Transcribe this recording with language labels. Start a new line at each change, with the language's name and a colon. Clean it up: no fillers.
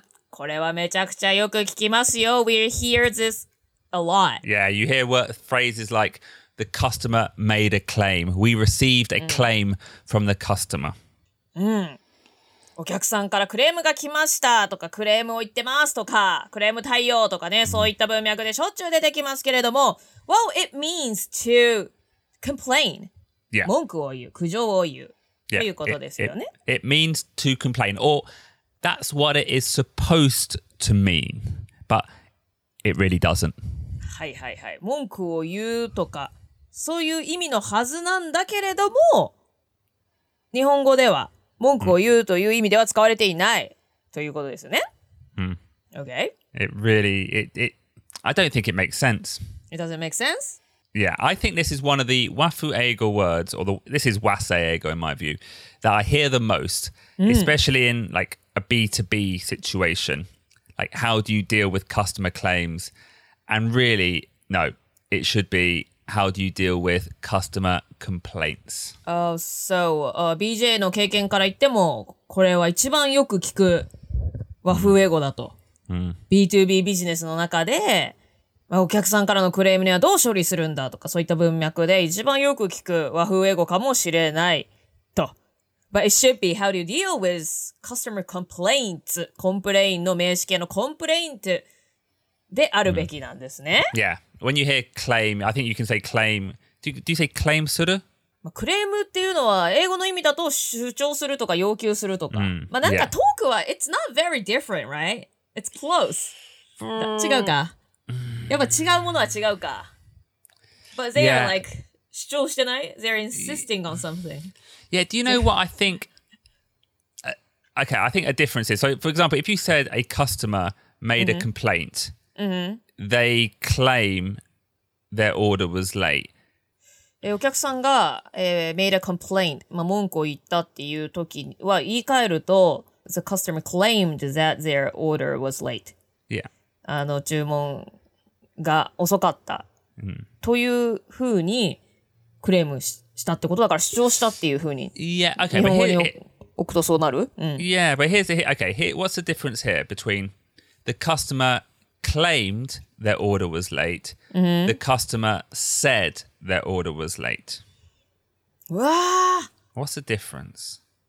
Japanese: これはめちゃくちゃよく聞きますよ。
English: We hear this a lot. Yeah, you hear phrases like the customer made a claim. We received a claim from the customer.
Japanese: お客さんからクレームが来ましたとかクレームを言ってますとかクレーム対応とかねそういった文脈でしょっちゅう出てきますけれども
English: Well, it means to complain. Yeah.
Japanese: 文句を言う、苦情を言う、yeah. ということですよね。
English: It means to complain or that's what it is supposed to mean. But it really doesn't.
Japanese: はいはいはい。文句を言うとかそういう意味のはずなんだけれども日本語では文句を言うという意味では使われていないということですよね。
English: Okay. It really, it, I don't think it makes sense. It doesn't make sense? Yeah, I think this is one of the wafu eigo words, or this is wasei eigo in my view, that I hear the most, especially in like a B2B situation. Like, how do you deal with customer claims? And really, no, it should be,How do you deal with customer complaints?
Japanese: BJ の経験から言っても、これは一番よく聞く和風英語だと。 B2B ビジネスの中で、まあ、お客さんからのクレームにはどう処理するんだとか、そういった文脈で一番よく聞く和風英語かもしれないと。
English: But it should be how do you deal with customer complaints?
Japanese: コンプレインの名詞形のコンプレイントであるべきなんですね。
English: Yeah. When you hear claim, I think you can say claim. Do you say claim する?
Japanese: Claim っていうのは英語の意味だと主張するとか要求するとか。まあなんかトークは
English: it's not very different, right? It's close.
Japanese: 違うか? やっぱ違うものは違うか?
English: But they are like
Japanese: 主張してない?
English: They're insisting on something. Yeah, do you know what I think? Okay, I think a difference is. So for example, if you said a customer made a complaint. They claim their order was late.
Japanese: お客さんが、
English: made a complaint、
Japanese: まあ、文句を言ったっていう時は言い換えると
English: The customer claimed that their order was late、 yeah.
Japanese: あの注文が遅かった、 mm. というふうにクレームしたってことだから主張したっていうふうに
English: yeah, okay,
Japanese: 日本語に置くとそうなる、うん、
English: Yeah, but here's the, okay, here, what's the difference here between the customer claimed their order was late、 mm-hmm. the customer said their order was late What's the difference?